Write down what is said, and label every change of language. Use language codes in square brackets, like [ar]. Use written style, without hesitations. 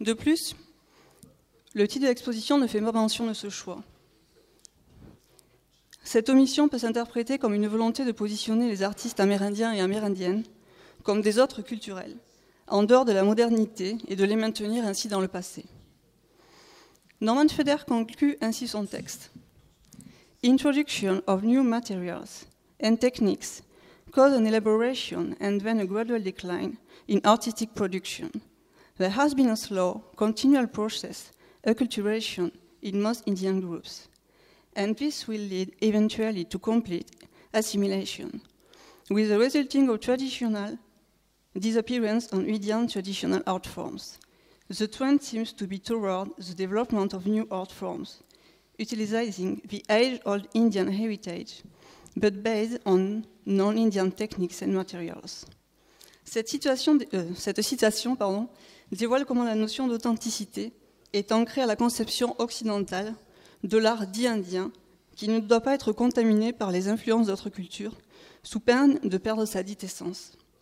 [fr] De plus, le titre de l'exposition ne fait pas mention de ce choix. Cette omission peut s'interpréter comme une volonté de positionner les artistes amérindiens et amérindiennes comme des autres culturels, en dehors de la modernité et de les maintenir ainsi dans le passé. Norman Feder conclut ainsi son texte. [en] Introduction of new materials and techniques cause an elaboration and then a gradual decline in artistic production. There has been a slow, continual process, acculturation in most Indian groups. And this will lead eventually to complete assimilation, with the resulting of traditional disappearance on Indian traditional art forms. The trend seems to be toward the development of new art forms, utilizing the age-old Indian heritage, but based on non-Indian techniques and materials. [fr] Cette citation, dévoile comment la notion d'authenticité est ancrée à la conception occidentale de l'art dit indien, qui ne doit pas être contaminé par les influences d'autres cultures, sous peine de perdre sa dite essence.